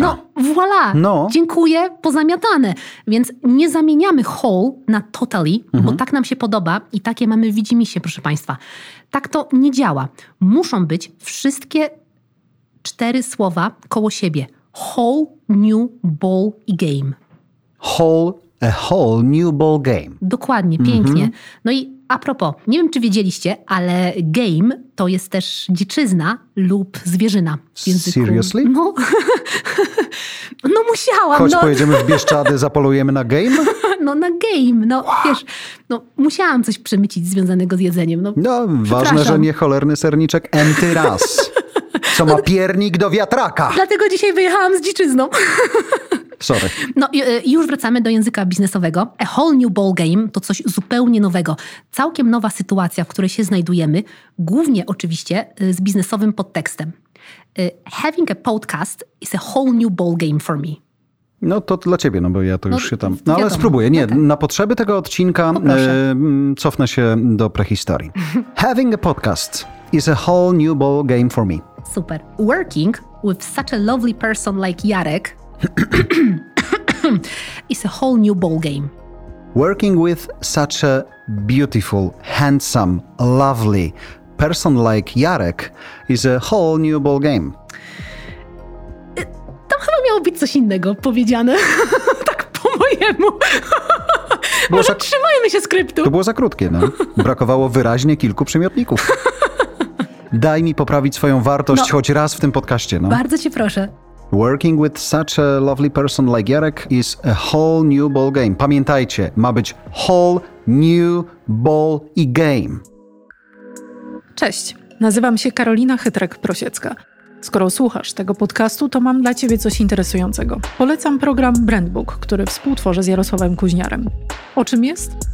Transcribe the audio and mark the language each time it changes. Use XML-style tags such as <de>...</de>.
<pl>No, voilà, no. Dziękuję, pozamiatane. Więc nie zamieniamy whole na totally, bo tak nam się podoba i takie mamy widzimisię, proszę państwa. Tak to nie działa. Muszą być wszystkie cztery słowa koło siebie.</pl> <en>Whole new ball game. Whole, a whole new ball game.</en> <pl>Dokładnie, pięknie. Mm-hmm. No i a propos, nie wiem, czy wiedzieliście, ale game to jest też dziczyzna lub zwierzyna w języku.</pl> <en>Seriously?</en> <pl>No, no musiałam. Choć no. Pojedziemy w Bieszczady, zapolujemy na game? No na game, no wow. Wiesz, no musiałam coś przemycić związanego z jedzeniem. No, no ważne, że nie cholerny serniczek enty raz, co ma piernik do wiatraka. Dlatego dzisiaj wyjechałam z dziczyzną.</pl> <en>Sorry.</en> <pl>No już wracamy do języka biznesowego.</pl> <en>A whole new ball game</en> <pl>to coś zupełnie nowego. Całkiem nowa sytuacja, w której się znajdujemy, głównie oczywiście z biznesowym podtekstem.</pl> <en>Having a podcast is a whole new ball game for me.</en> <pl>No to dla ciebie, no bo ja to no, już się tam... No wiadomo, ale spróbuję. Nie, okay. Na potrzeby tego odcinka cofnę się do prehistorii.</pl> <en>Having a podcast is a whole new ball game for me.</en> <pl>Super.</pl> <en>Working with such a lovely person like Jarek... It's a whole new ball game. Working with such a beautiful, handsome, lovely person like Jarek is a whole new ball game.</en> <pl>Tam chyba miało być coś innego powiedziane. Tak po mojemu. Może trzymajmy się skryptu. To było za krótkie, no. Brakowało wyraźnie kilku przymiotników. Daj mi poprawić swoją wartość no, choć raz w tym podcaście, no. Bardzo cię proszę.</pl> <en>Working with such a lovely person like Jarek is a whole new ball game.</en> <pl>Pamiętajcie, ma być whole new ball i game. Cześć, nazywam się Karolina Chytrek-Prosiecka. Skoro słuchasz tego podcastu, to mam dla ciebie coś interesującego. Polecam program Brandbook, który współtworzę z Jarosławem Kuźniarem. O czym jest?</pl>